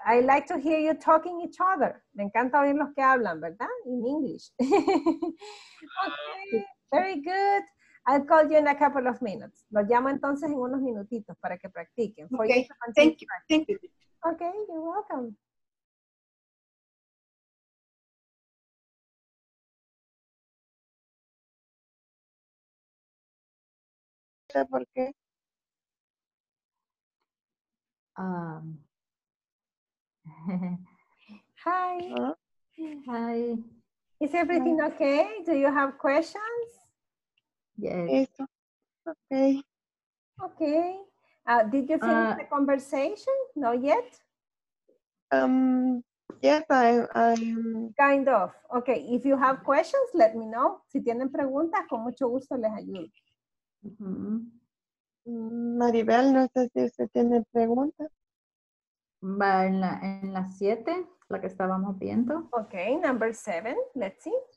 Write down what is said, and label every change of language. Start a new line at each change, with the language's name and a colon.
English: I like to hear you talking each other.
Spanish: Me encanta oír los que hablan, ¿verdad?
English: In English. Okay, very good. I'll call you in a couple of minutes.
Spanish: Los llamo entonces en unos minutitos para que practiquen.
English: Okay, thank you. Okay, you're welcome.
Spanish: ¿Por qué?
English: Hi. Hi. Is everything okay? Do you have questions? Yes. Okay. Did you finish the conversation? Not yet? Yes, I'm... Kind of. Okay, if you have questions, let me know.
Spanish: Si tienen preguntas, con mucho gusto les ayudo. Maribel, no sé si usted tiene preguntas. Va en la 7, la que estábamos viendo.
English: Okay, number 7, let's see.